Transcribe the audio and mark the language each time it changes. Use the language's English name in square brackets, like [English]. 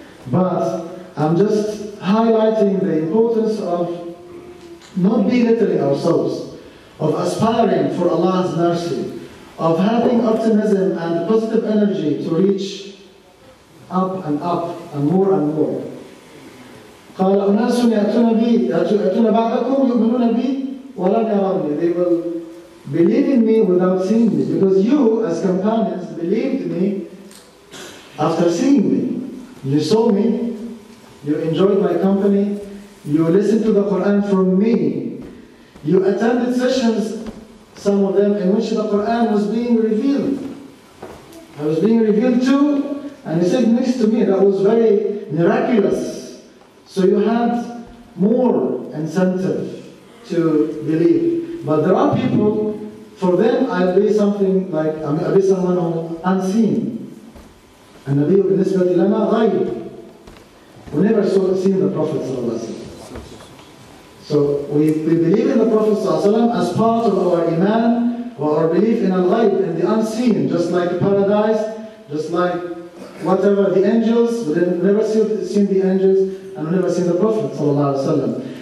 [English] But I'm just highlighting the importance of not belittling ourselves, of aspiring for Allah's mercy, of having optimism and positive energy to reach up and up and more and more. [Arabic] قال أناس يأتون بي يأتون بعدكم يؤمنون بي ولن يروني. [English] They will believe in me without seeing me, because you, as companions, believed me after seeing me. You saw me, you enjoyed my company, you listened to the Quran from me, you attended sessions, some of them, in which the Quran was being revealed. I was being revealed to, and you sat next to me. That was very miraculous. So you had more incentive to believe. But there are people, for them, I'll be something like, I'll be someone unseen. And Nabi [Arabic] بالنسبة لنا غير. [English] We never saw, seen the Prophet ﷺ. So we believe in the Prophet ﷺ as part of our iman, or our belief in al-ghayb, in the unseen, just like paradise, just like whatever, the angels. We never seen the angels, and we never seen the Prophet ﷺ.